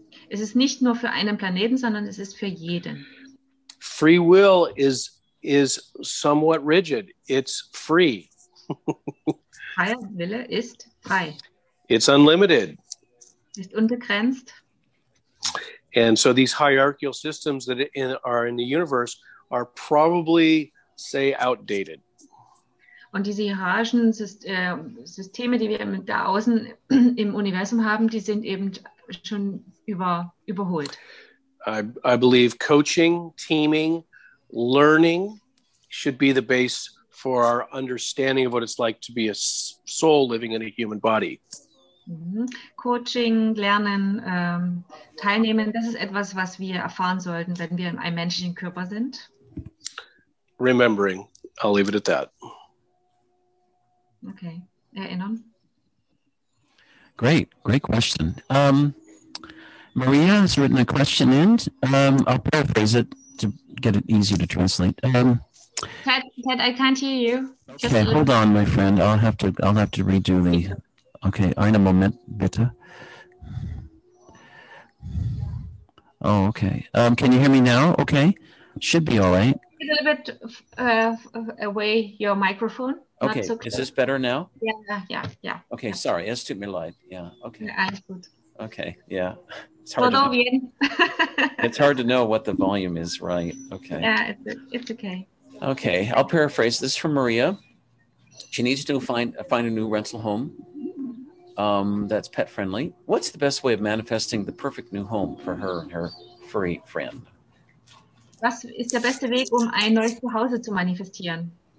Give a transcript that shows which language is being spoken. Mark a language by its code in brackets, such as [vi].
[de] Es ist nicht nur für einen Planeten, sondern es ist für jeden. [en] Free will is somewhat rigid. It's free. [de] Freier Wille ist frei. [en] It's unlimited. [de] Ist unbegrenzt. [en] And so these hierarchical systems that are in the universe are probably, say, outdated. [de] Und diese hierarchischen Systeme, die wir da außen im Universum haben, die sind eben schon überholt. [en] I believe coaching, teaming, learning should be the base for our understanding of what it's like to be a soul living in a human body. [de] Coaching, lernen, teilnehmen, das ist etwas, was wir erfahren sollten, wenn wir in einem menschlichen Körper sind. [en] Remembering, I'll leave it at that. [de] Okay, erinnern. [en] Great question. Maria has written a question in. I'll paraphrase it to get it easier to translate. Ted, I can't hear you. Just okay, hold on, my friend. I'll have to redo the... [de] Okay, einen Moment, bitte. [en] Oh, okay. Can you hear me now? Okay. Should be all right. A little bit away your microphone. Okay, so is this better now? Yeah. Okay, yeah. [de] Sorry, es tut mir leid. [en] Yeah, okay. [de] Yeah, alles gut. [en] Okay, yeah. It's hard to know what the volume is, right? Okay. Yeah, it's okay. Okay, I'll paraphrase. This is from Maria. She needs to find a new rental home. That's pet friendly. What's the best way of manifesting the perfect new home for her and her furry friend? [de] Was ist der beste Weg, um ein neues Zuhause zu manifestieren?